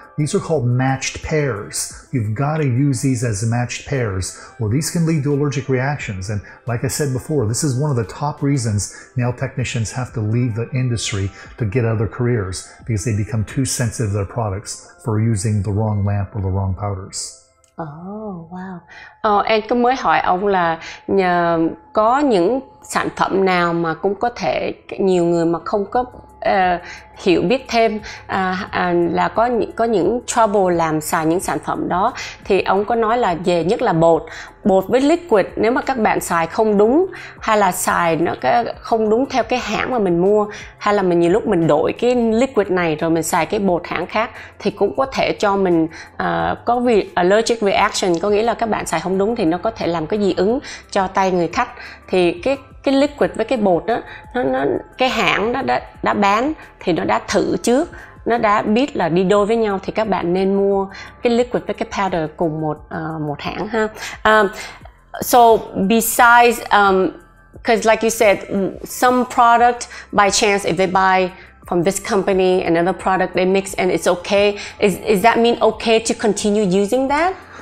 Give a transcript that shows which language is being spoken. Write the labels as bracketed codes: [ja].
[en] These are called matched pairs. You've got to use these as matched pairs, or these can lead to allergic reactions. And like I said before, this is one of the top reasons nail technicians have to leave the industry to get other careers, because they become too sensitive to their products for using the wrong lamp or the wrong powders. Oh, wow. [vi] Em cứ mới hỏi ông là có những sản phẩm nào mà cũng có thể nhiều người mà không có hiểu biết thêm là có những trouble làm xài những sản phẩm đó. Thì ông có nói là về nhất là bột. Bột với liquid, nếu mà các bạn xài không đúng, hay là xài nó không đúng theo cái hãng mà mình mua, hay là mình nhiều lúc mình đổi cái liquid này rồi mình xài cái bột hãng khác, thì cũng có thể cho mình có allergic reaction. Có nghĩa là các bạn xài không đúng thì nó có thể làm cái dị ứng cho tay người khách. Thì cái liquid với cái bột đó, nó cái hãng đó đã bán thì nó đã thử trước, nó đã biết là đi đôi với nhau, thì các bạn nên mua cái liquid với cái powder cùng một hãng ha. [en] So besides, because like you said, some product by chance, if they buy from this company, another product they mix and it's okay, is that mean okay to continue using that?